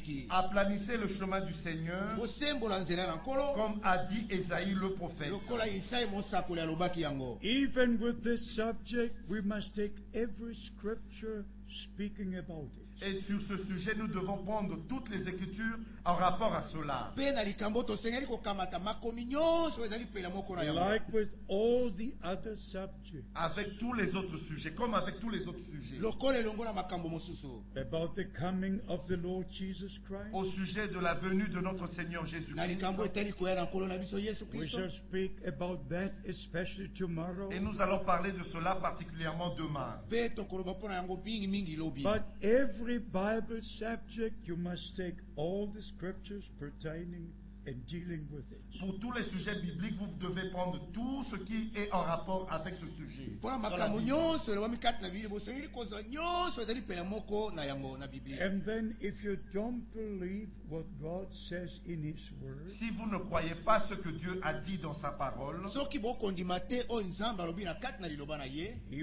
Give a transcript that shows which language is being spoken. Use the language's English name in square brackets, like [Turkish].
[French] Aplanissez le chemin du Seigneur, comme a dit Esaïe le prophète. [English] Even with this subject, we must take every scripture speaking about it. [French] Et sur ce sujet, nous devons prendre toutes les écritures en rapport à cela. [English] Like with all the other subjects. [French] Avec tous les autres sujets, comme avec tous les autres sujets. [English] About the coming of the Lord Jesus Christ. [French] Au sujet de la venue de notre Seigneur [English] Jésus-Christ. We shall speak about that especially tomorrow. [French] Et nous allons parler de cela particulièrement demain. [English] But every Bible subject, you must take all the scriptures pertaining and dealing with it. [French] Pour tous les sujets bibliques, vous devez prendre tout ce qui est en rapport avec ce sujet. [English] And then, if you don't believe what God says in His Word, [French] si vous ne croyez pas ce que Dieu a dit dans sa parole, [English] He